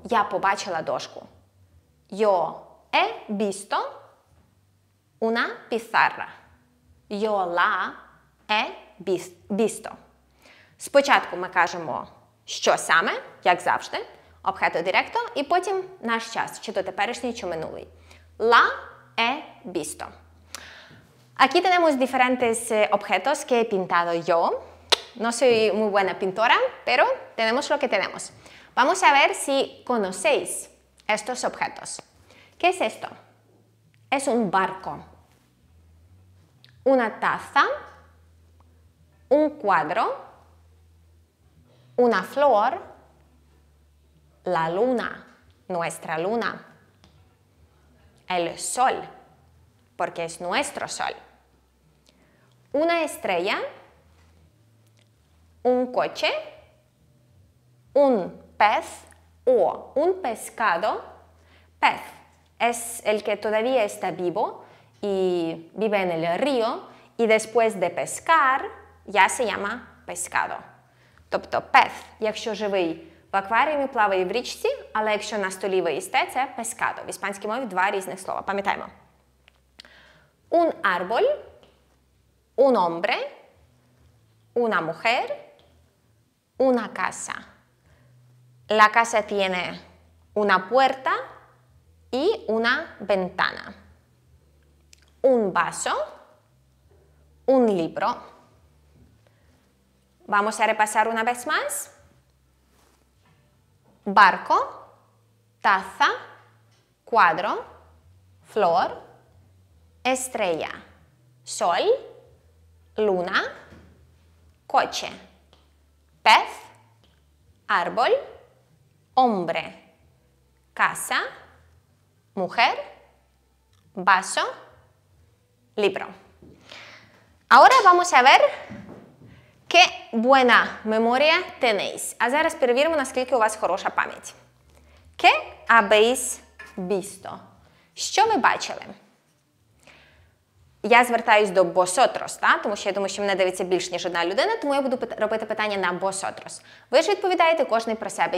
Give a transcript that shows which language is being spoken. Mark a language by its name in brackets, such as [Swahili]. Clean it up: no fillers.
[Ukrainian] Я побачила дошку. [Spanish] Yo he visto una pizarra. Yo la he visto. [Ukrainian] Спочатку ми кажемо, що саме, як завжди, об'єкту директо, і потім наш час, чи то теперішній, чи минулий. [Spanish] La he visto. Aquí tenemos diferentes objetos que he pintado yo. No soy muy buena pintora, pero tenemos lo que tenemos. Vamos a ver si conocéis estos objetos. ¿Qué es esto? Es un barco, una taza, un cuadro, una flor, la luna, nuestra luna, el sol, porque es nuestro sol, una estrella, un coche, un pez o un pescado. Pez es el que todavía está vivo y vive en el río y después de pescar ya se llama pescado. [Ukrainian] Тобто пес, якщо живий в акваріумі, плаває в річці, але якщо на столі ви їсте, це pescado. В іспанській мові два різних слова, пам'ятаємо. [Spanish] Un árbol, un hombre, una mujer, una casa. La casa tiene una puerta y una ventana. Un vaso, un libro. Vamos a repasar una vez más. Barco, taza, cuadro, flor, estrella, sol, luna, coche, pez, árbol, hombre, casa, mujer, vaso, libro. Ahora vamos a ver qué buena memoria tenéis. [Ukrainian] A зараз перевіримо, наскільки у вас хороша пам'ять. [Spanish] ¿Qué habéis visto? [Ukrainian] Що ви бачили? Я звертаюсь до vosotros, та? Тому що я думаю, що мене дивиться більш ніж одна людина, тому я буду робити питання на vosotros. Ви ж відповідаєте кожний про себе.